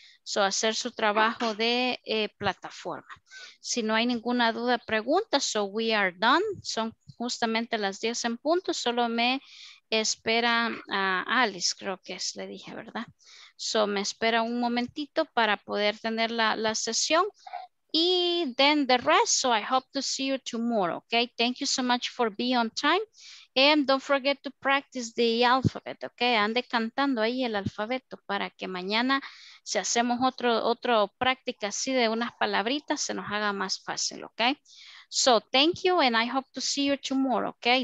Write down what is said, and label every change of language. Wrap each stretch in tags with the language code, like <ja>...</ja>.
<es>So, hacer su trabajo de plataforma. Si no hay ninguna duda, pregunta,</es> <en>so we are done.</en> <es>Son justamente las 10 en punto, solo me espera a Alice, creo que es, le dije, ¿verdad? So, me espera un momentito para poder tener la sesión.</es> <en>Y then the rest, so I hope to see you tomorrow, okay? Thank you so much for being on time. And don't forget to practice the alphabet, okay?</en> <es>Ande cantando ahí el alfabeto para que mañana, si hacemos otro práctica así de unas palabritas, se nos haga más fácil, okay?</es> <en>So thank you and I hope to see you tomorrow, okay?</en>